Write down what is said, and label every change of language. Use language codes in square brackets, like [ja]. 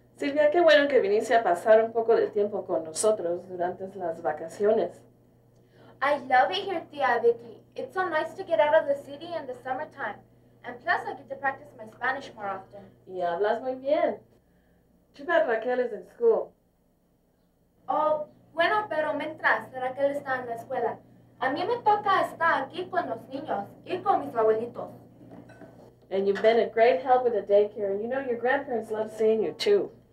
[es] A pasar un poco de tiempo con nosotros durante las vacaciones. [en] I love it here, Tia Vicky. It's so nice to get out of the city in the summertime. And plus, I get to practice my Spanish more often. [es] Y hablas muy bien. [en] Too bad Raquel is in school. [es] Oh, bueno, pero mientras Raquel está en la escuela, a mí me toca estar aquí con los niños y con mis abuelitos. [en] And you've been a great help with the daycare. You know, your grandparents love seeing you, too.